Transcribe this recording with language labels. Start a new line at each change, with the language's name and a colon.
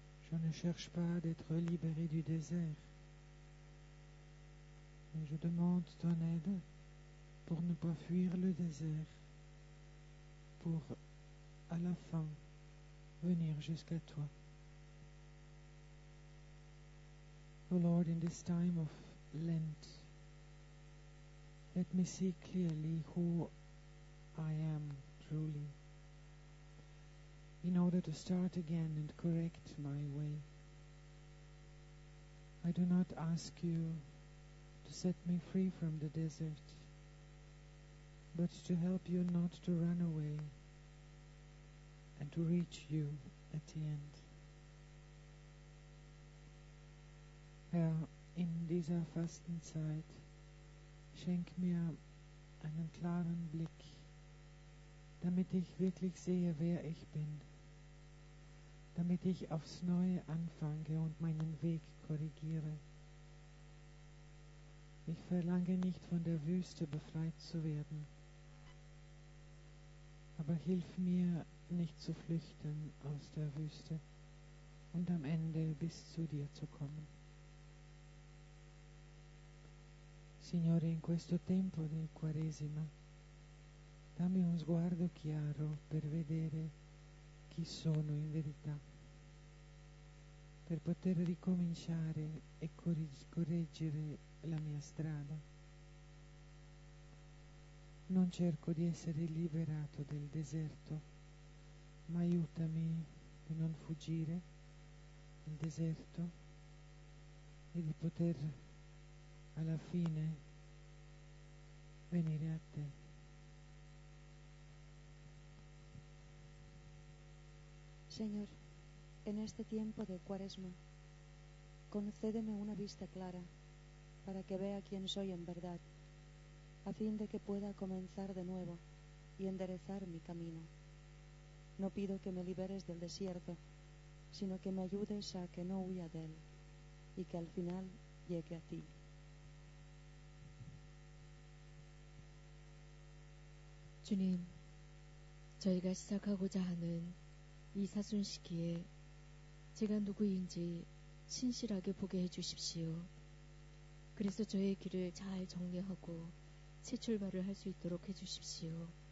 French: Je ne cherche pas d'être libéré du désert, mais je demande ton aide pour ne pas fuir le désert, pour à la fin venir jusqu'à toi.
English: O Lord, in this time of Lent, let me see clearly who I am truly, in order to start again and correct my way. I do not ask you to set me free from the desert, but to help you not to run away and to reach you at the end.
German: Herr, in dieser Fastenzeit schenk mir einen klaren Blick, damit ich wirklich sehe, wer ich bin, damit ich aufs Neue anfange und meinen Weg korrigiere. Ich verlange nicht, von der Wüste befreit zu werden, aber hilf mir, nicht zu flüchten aus der Wüste und am Ende bis zu dir zu kommen.
Italian: Signore, in questo tempo del Quaresima, dammi un sguardo chiaro per vedere chi sono in verità, per poter ricominciare e correggere la mia strada. Non cerco di essere liberato del deserto, ma aiutami di non fuggire il deserto e di poter alla fine venire a te.
Spanish: Señor, en este tiempo de Cuaresma, concédeme una vista clara para que vea quién soy en verdad, a fin de que pueda comenzar de nuevo y enderezar mi camino. No pido que me liberes del desierto, sino que me ayudes a que no huya de él y que al final llegue a ti.
Korean: Señor, 저희가 시작하고자 하는 이 사순 시기에 제가 누구인지 신실하게 보게 해주십시오. 그래서 저의 길을 잘 정리하고 새 출발을 할 수 있도록 해주십시오.